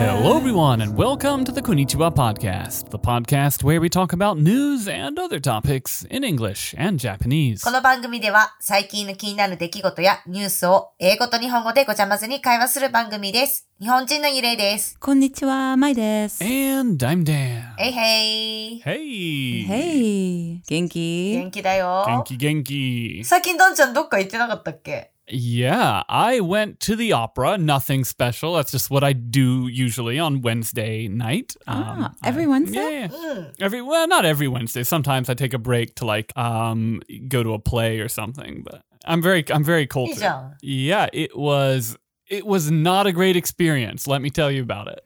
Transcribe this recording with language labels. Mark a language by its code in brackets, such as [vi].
[en] Hello everyone and welcome to the Konnichiwa Podcast, the podcast where we talk about news and other topics in English and Japanese. [ja] この番組では最近の気になる出来事やニュースを英語と日本語でごちゃ混ぜに会話する番組です。日本人のゆれいです。こんにちは、まいです。 [en] And I'm Dan. Hey, hey. Hey. [ja] Hey. 元気？元気だよ。元気元気。最近どんちゃんどっか行ってなかったっけ？ [en] Yeah, I went to the opera. Nothing special. That's just what I do usually on Wednesday night. Every Wednesday? Yeah, yeah. Not every Wednesday. Sometimes I take a break to like, go to a play or something. But I'm very cold. [ja] いいじゃん。 [en] Yeah, it was not a great experience, let me tell you about it.